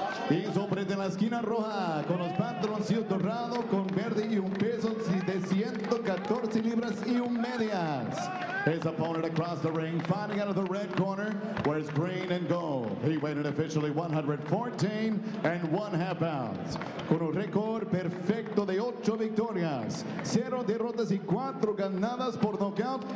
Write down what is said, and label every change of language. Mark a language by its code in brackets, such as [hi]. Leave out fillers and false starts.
[es] Y sobre de la esquina roja, con los pantaloncillos dorados, con verde y un peso de 114 libras y un medias. [en] His opponent across the ring, fighting out of the red corner, wears green and gold. He weighed officially 114 and one half pounds. [es] Con un récord perfecto de 8 victorias, 0 derrotas y 4 ganadas por nocaut.